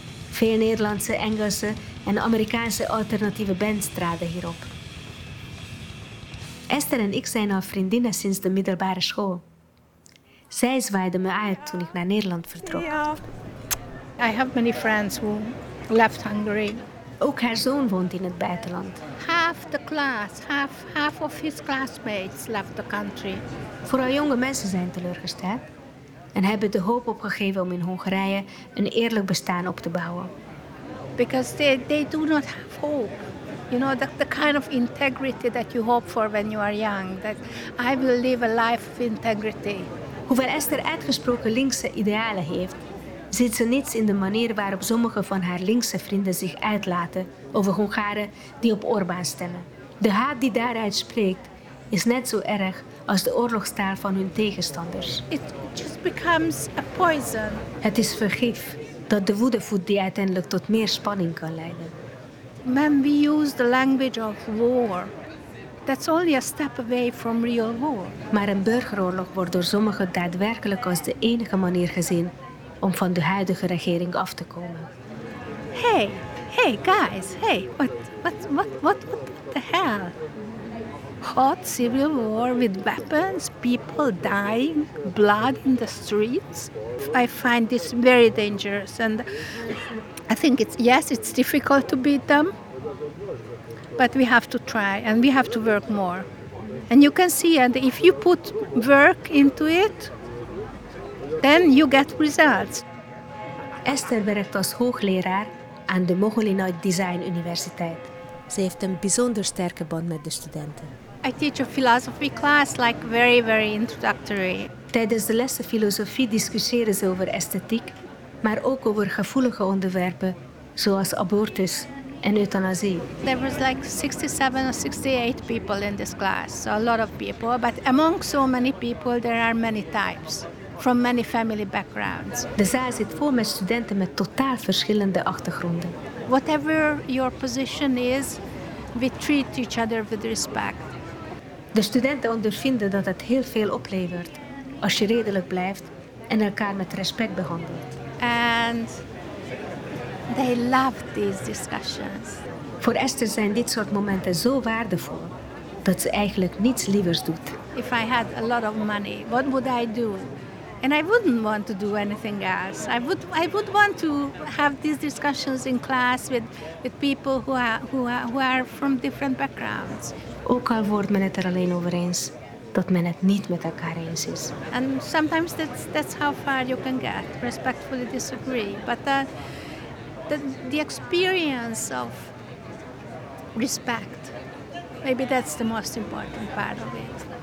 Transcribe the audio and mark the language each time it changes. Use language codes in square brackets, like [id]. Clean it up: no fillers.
[nl] Veel Nederlandse, Engelse en Amerikaanse alternatieve bands traden hierop. Esther en ik zijn al vriendinnen sinds de middelbare school. Zij zwaaide me uit toen ik naar Nederland vertrok. [en] Ja. I have many friends who left Hungary. [nl] Ook haar zoon woont in het buitenland. [en] Half the class, half of his classmates left the country. [nl] Vooral jonge mensen zijn teleurgesteld en hebben de hoop opgegeven om in Hongarije een eerlijk bestaan op te bouwen. [en] because they do not have hope. You know, the kind of integrity that you hope for when you are young, that I will live a life of integrity. [nl] Hoewel Esther uitgesproken linkse idealen heeft, ziet ze niets in de manier waarop sommige van haar linkse vrienden zich uitlaten over Hongaren die op Orbán stemmen. De haat die daaruit spreekt, is net zo erg als de oorlogstaal van hun tegenstanders. [en] It just becomes a poison. [nl] Het is vergif dat de woede voedt die uiteindelijk tot meer spanning kan leiden. [en] When we use the language of war, that's only a step away from real war. [nl] Maar een burgeroorlog wordt door sommigen daadwerkelijk als de enige manier gezien om van de huidige regering af te komen. [en] Hey guys, hey, what the hell? Hot civil war with weapons, people dying, blood in the streets. I find this very dangerous, and I think it's difficult to beat them, but we have to try and we have to work more. And you can see, and if you put work into it, then you get results. [nl] Esther werkt als hoogleraar aan de Mogolinoi Design Universiteit. Ze heeft een bijzonder sterke band met de studenten. [en] I teach a philosophy class, like very, very introductory. [nl] Tijdens de lessen filosofie discussiëren ze over esthetiek, maar ook over gevoelige onderwerpen, zoals abortus en euthanasie. [en] There was like 67 or 68 people in this class, so a lot of people. But among so many people, there are many types, from many family backgrounds. [nl] De zaal zit vol met studenten met totaal verschillende achtergronden. [en] Whatever your position is, we treat each other with respect. [nl] De studenten ondervinden dat het heel veel oplevert als je redelijk blijft en elkaar met respect behandelt. [en] And they love these discussions. [nl] Voor Esther zijn dit soort momenten zo waardevol dat ze eigenlijk niets liever doet. [en] If I had a lot of money, what would I do? And I wouldn't want to do anything else. I would want to have these discussions in class with people who are from different backgrounds. [nl] Ook al wordt men het er alleen over eens dat men het niet met elkaar eens is. [en] And sometimes that's how far you can get, respectfully disagree. But the experience of respect, maybe that's the most important part of it.